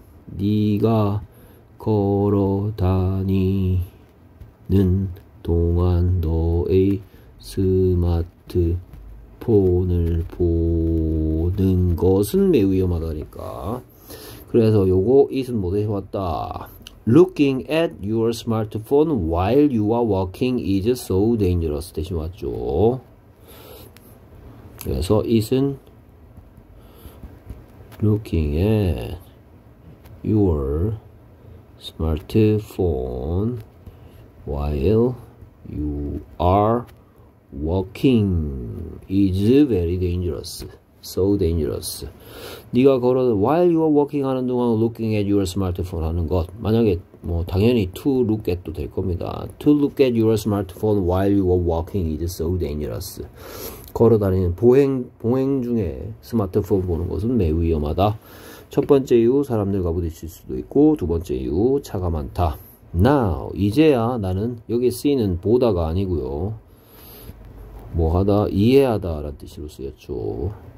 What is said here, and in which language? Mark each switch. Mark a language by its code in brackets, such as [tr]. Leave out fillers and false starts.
[ko] 네가 걸어 다니는 동안 너의 스마트폰을 보는 것은 매우 위험하다니까. 그래서 요거, it은 뭐 대신 왔다? [en] Looking at your smartphone while you are walking is so dangerous [ko] 대신 왔죠. 그래서 [en] it은 Looking at your smartphone while you are walking is very dangerous. So dangerous. [ko] 네가 걸어 [en] while you are walking [ko] 하는 동안 [en] looking at your smartphone [ko] 하는 것. 만약에 뭐 당연히 [en] to look at [ko] 도 될 겁니다. [en] To look at your smartphone while you are walking is so dangerous. [ko] 걸어 다니는 보행 중에 스마트폰 보는 것은 매우 위험하다. 첫 번째 이유, 사람들과 부딪힐 수도 있고, 두 번째 이유, 차가 많다. Now, 이제야 나는, 여기 C는 보다가 아니고요. 뭐 하다, 이해하다라는 뜻으로 쓰였죠.